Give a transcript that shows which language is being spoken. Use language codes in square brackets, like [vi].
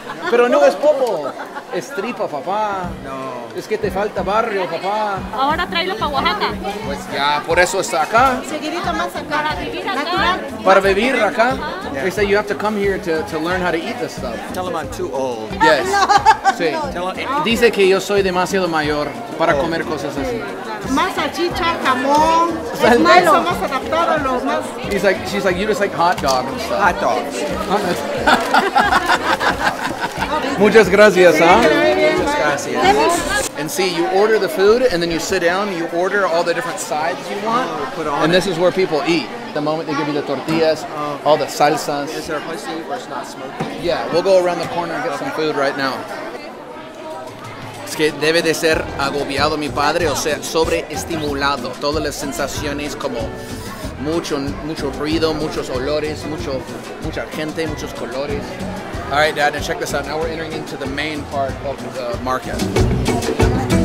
[es] Pero no es popo. Es tripa, papá. No. Es que te falta barrio, papá. Ahora tráelo para Oaxaca. Pues ya, por eso está acá. Seguidito más acá. Para vivir natural. Para vivir acá. Yeah. [en] They say you have to come here to learn how to eat this stuff. Tell them I'm too old. Yes. No. Sí. [es] Dice que yo soy demasiado mayor para comer cosas así. Más salchicha, jamón. Es más adaptado más adaptado. [en] He's like, she's like, you just like hot dog and stuff. Hot dogs. [es] Muchas gracias, huh? Muchas gracias. [en] And see, you order the food, and then you sit down, you order all the different sides you want, this is where people eat. The moment they give you the tortillas, all the salsas. Is there a place to eat where it's not smoking? Yeah, we'll go around the corner and get some food right now. [es] Es que debe de ser agobiado mi padre, o sea, sobreestimulado. Todas las sensaciones como mucho ruido, muchos olores, mucha gente, muchos colores. [en] All right, Dad, and check this out. Now we're entering into the main part of the market.